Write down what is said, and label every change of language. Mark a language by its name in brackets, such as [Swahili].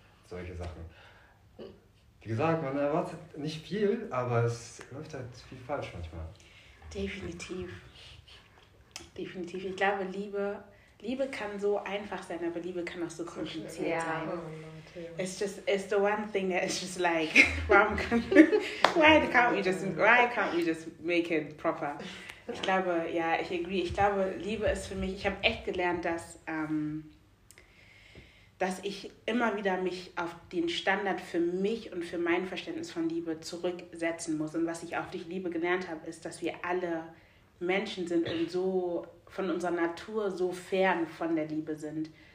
[German] Solche Sachen. Wie gesagt, man erwartet nicht viel, aber es läuft halt viel falsch manchmal. Definitiv. Definitiv. Ich glaube, Liebe kann so einfach sein, aber Liebe kann auch so kompliziert sein. Oh, Leute. [English] It's the one thing that is just like, why can't we just make it proper? [German] Ich glaube, ja, ich agree. Ich glaube, Liebe ist für mich, ich habe echt gelernt, dass ich immer wieder mich auf den Standard für mich und für mein Verständnis von Liebe zurücksetzen muss. Und was ich auf dich Liebe gelernt habe, ist, dass wir alle Menschen sind und so von unserer Natur so fern von der Liebe sind.